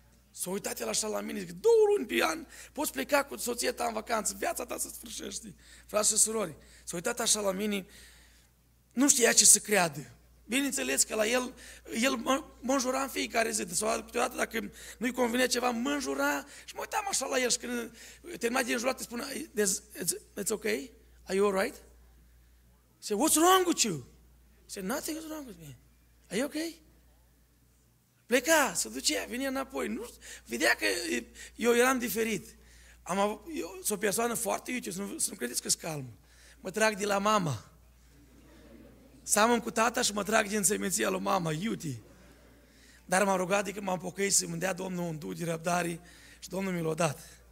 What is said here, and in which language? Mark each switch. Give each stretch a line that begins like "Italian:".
Romanian: S-a uitat el așa la mine, zic, două luni pe an poți pleca cu soția ta în vacanță, viața ta se sfârșește, frate și surori. S-a uitat așa la mine, nu știa ce să creadă. Bineînțeles că la el mă înjura în fiecare zi, sau câteodată dacă nu-i convine ceva, mă înjura și mă uitam așa la el și când termina de înjurat, îi spune,
English: it's ok? Are you alright? I say, what's wrong with you? I say, nothing is wrong with me. Are you ok?
Romanian: Pleca, se ducea, vine înapoi. Nu, vedea că eu eram diferit. Sunt o persoană foarte iute, să nu credeți că sunt calm. Mă trag de la mama. Seamăn cu tata și mă trag din seminția lui mama, iute. Dar m-am rugat de când m-am pocăit să-mi dea Domnul un duh de răbdare și Domnul mi l-a dat.